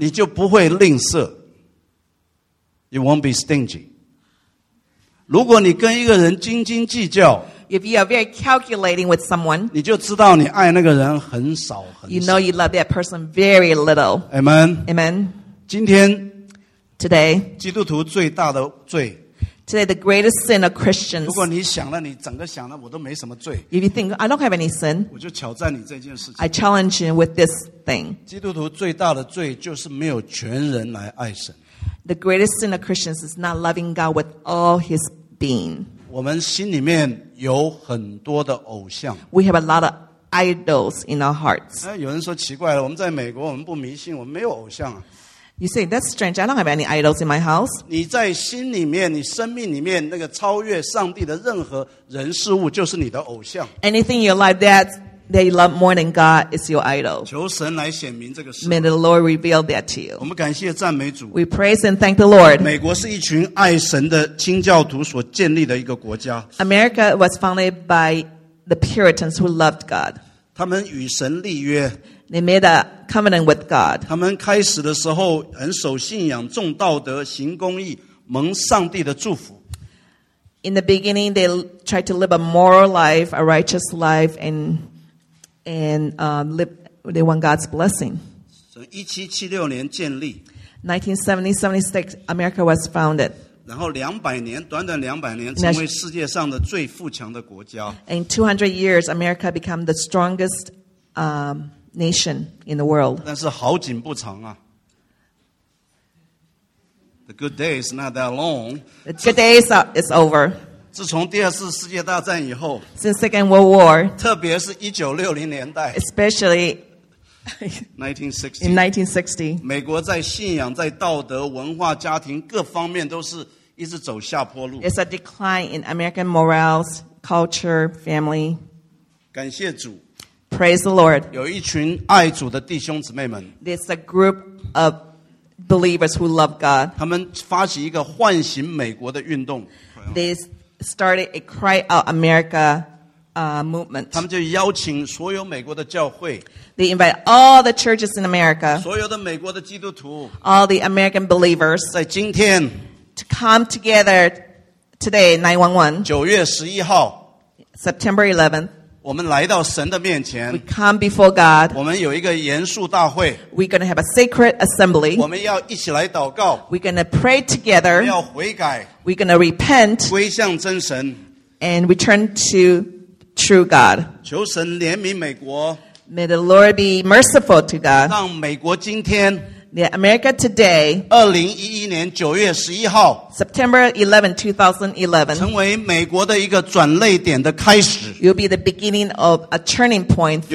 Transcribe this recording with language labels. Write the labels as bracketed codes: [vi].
[zh] 你就不会吝啬。 [en] You won't be stingy. [zh] 如果你跟一个人斤斤计较， [en] If you are very calculating with someone, [zh] 你就知道你爱那个人很少很少。 [en] You know you love that person very little. Amen. Amen. [zh] 今天， [en] Today, [zh] 基督徒最大的罪， [en] Today the greatest sin of Christians. [zh] 如果你想了，你整个想了，我都没什么罪。 [en] If you think I don't have any sin, [zh] 我就挑战你这件事情。 [en] I challenge you with this thing. [zh] 基督徒最大的罪就是没有全人来爱神。 [en] The greatest sin of Christians is not loving God with all His being. [zh] 我们心里面有很多的偶像。 [en] We have a lot of idols in our hearts. [zh] 有人说奇怪了，我们在美国，我们不迷信，我们没有偶像啊。 [en] You say that's strange. I don't have any idols in my house. [zh] 你在心里面，你生命里面那个超越上帝的任何人事物，就是你的偶像。 [en] Anything in your life that you love more than God is your idol. [zh] 求神来显明这个事。 [en] May the Lord reveal that to you. [zh] 我们感谢赞美主。 [en] We praise and thank the Lord. [zh] 美国是一群爱神的清教徒所建立的一个国家。 [en] America was founded by the Puritans who loved God. [zh] 他们与神立约。 [en] They made a covenant with God. [zh] 他们开始的时候很守信仰，重道德，行公义，蒙上帝的祝福。 [en] In the beginning, they tried to live a moral life, a righteous life, they want God's blessing. [zh] 1776年建立。 [en] 1776, America was founded. [zh] 然后短短200年成为世界上的最富强的国家。 [en] In 200 years, America became the strongest, nation in the world. [zh] 但是好景不长啊。 [en] The good day is not that long. The good day is over. [zh] 自从第二次世界大战以后， [en] Since Second World War, [zh] 特别是1960年代， [en] Especially, 1960, in 1960, [zh] 美国在信仰、在道德、文化、家庭各方面都是一直走下坡路。 [en] It's a decline in American morals, culture, family. [zh] 感谢主。 [en] Praise the Lord. [zh] 有一群爱主的弟兄姊妹们。 [en] There's a group of believers who love God. [zh] 他们发起一个唤醒美国的运动。 [en] They started a cry out America movement. [zh] 他们就邀请所有美国的教会。 [en] They invite all the churches in America. [zh] 所有的美国的基督徒。 [en] All the American believers. [zh] 在今天。 [en] To come together today, 911. [zh] 九月十一号。 [en] September 11th. [zh] 我们来到神的面前。 [en] We come before God. [zh] 我们有一个严肃大会。 [en] We're going to have a sacred assembly. [zh] 我们要一起来祷告。 [en] We're going to pray together. [zh] 我们要悔改。 [en] We're going to repent. [zh] 归向真神。 [en] And we turn to true God. [zh] 求神怜悯美国。 [en] May the Lord be merciful to God. [zh] 让美国今天。 [en] Yeah, America today. [zh] 2011年9月11号。 [en] September 11, 2011. [zh] 成为美国的一个转捩点的开始。 [en] You'll be the beginning of a turning point for